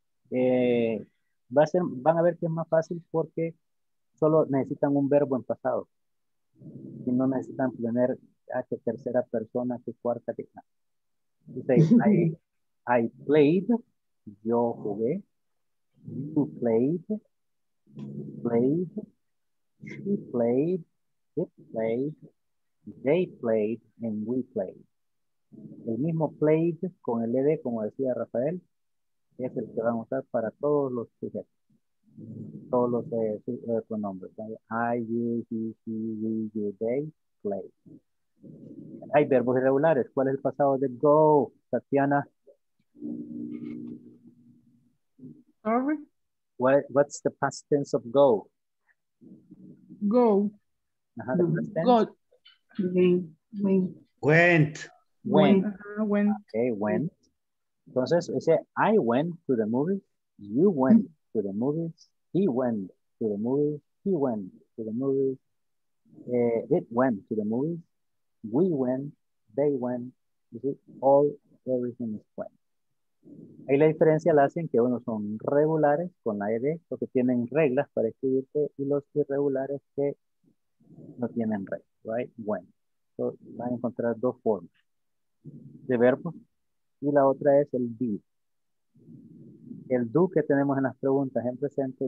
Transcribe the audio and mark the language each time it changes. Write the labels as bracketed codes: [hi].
[es] Van a ver que es más fácil porque solo necesitan un verbo en pasado. Y no necesitan tener a qué tercera persona, qué cuarta, qué nada. [en] You say, I played. [es] Yo jugué, [en] you played, played, she played, it played, they played, and we played. [es] El mismo played con el ED, como decía Rafael, es el que vamos a usar para todos los sujetos. todos los pronombres. [en] I, you, he, she, we, you, they, play. [es] Hay verbos irregulares. ¿Cuál es el pasado de go, Tatiana? [en] Sorry. What's the past tense of go? Go. Uh-huh, went. [es] Entonces, ese [en] I went to the movies, you went to the movies, he went to the movies, he went to the movies, it went to the movies, we went, they went, you see, all, everything is went. [es] Ahí la diferencia la hacen que unos son regulares con la ED, porque tienen reglas para escribirte, y los irregulares que no tienen reglas, right? Went. So, van a encontrar dos formas de verbos. Y la otra es el did. El do que tenemos en las preguntas en presente.